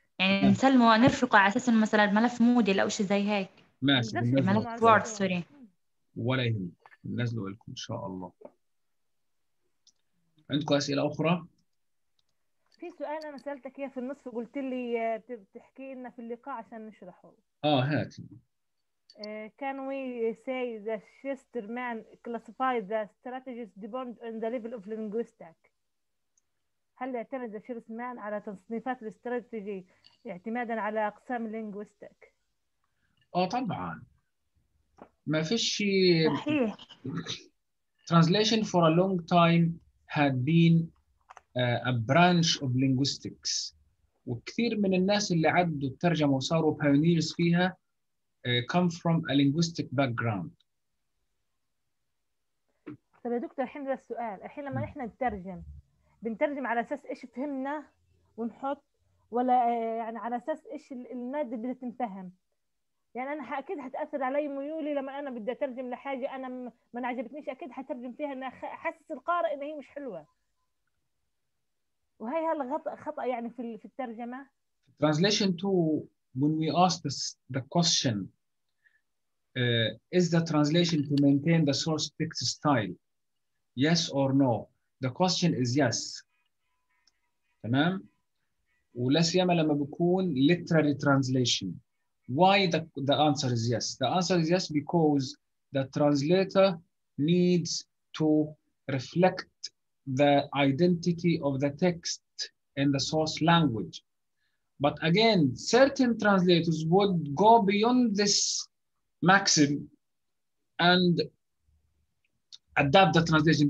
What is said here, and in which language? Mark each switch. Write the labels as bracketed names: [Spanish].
[Arabic] يعني نسلمه ونرفقه على اساس مثلا ملف موديل او شيء زي هيك. ماشي، بننزله ملف وورد، سوري. ولا يهمك، بننزله لكم ان شاء الله. عندكم اسئله اخرى؟ في سؤال انا سالتك اياه في النصف وقلت لي بتحكي لنا في اللقاء عشان نشرحه. هات. [English] Can we say the Schusterman classified the strategies depend on the level of linguistic؟ [Arabic] هل يعتمد the Schusterman على تصنيفات الاستراتيجي اعتمادا على اقسام [English] linguistic؟ [Arabic] طبعا ما فيش شيء. صحيح. [English] Translation for a long time had been a branch of linguistics، [Arabic] وكثير من الناس اللي عدوا الترجمة وصاروا [English] pioneers فيها come from a linguistic background. [Arabic] طب يا دكتور الحين ده السؤال، الحين لما احنا نترجم بنترجم على اساس ايش فهمنا ونحط، ولا يعني على اساس ايش الماده اللي بتنفهم؟ يعني انا اكيد حتاثر علي ميولي لما انا بدي اترجم لحاجه انا ما عجبتنيش، اكيد حترجم فيها ان احسس القارئ ان هي مش حلوه، وهي هل خطا يعني في الترجمه؟ [English] Translation to when we ask the question, is the translation to maintain the source text style? Yes or no? The question is yes. [Arabic] تمام؟ ولا سيما لما بيكون [English] literary translation. Why the answer is yes? The answer is yes because the translator needs to reflect the identity of the text in the source language. But again, certain translators would go beyond this maxim and adapt the translation.